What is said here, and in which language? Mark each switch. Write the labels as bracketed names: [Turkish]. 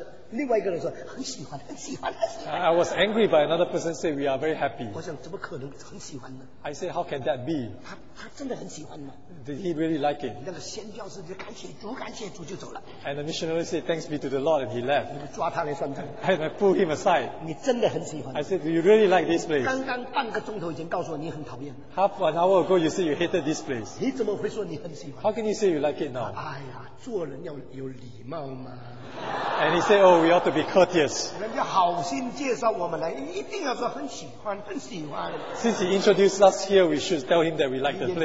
[Chinese] 另外一个人说很喜欢，很喜欢，很喜欢。 [English] I was angry, but another person said we are very happy. [Chinese] 我想怎么可能很喜欢呢？ [English] I said how can that be? [Chinese] 他真的很喜欢吗？ [English] Did he really like it? [Chinese] 那个宣教士就感谢主，感谢主就走了。 [English] And the missionary said thanks be to the Lord, and he left. [Chinese] 你们抓他来算账。 [English] And I pulled him aside. [Chinese] 你真的很喜欢。 [English] I said do you really like this place? [Chinese] 刚刚半个钟头已经告诉我你很讨厌了。 [English] Half an hour ago you said you hated this place. [Chinese] 你怎么会说你很喜欢？ [English] How can you say you like it now? [Chinese] 哎呀，做人要有礼貌嘛。 [English] And he said, oh, we ought to be courteous. [Chinese] 人家好心介绍我们来, 一定要说很喜欢, 很喜欢。 [English] Since he introduced us here, we should tell him that we like the place.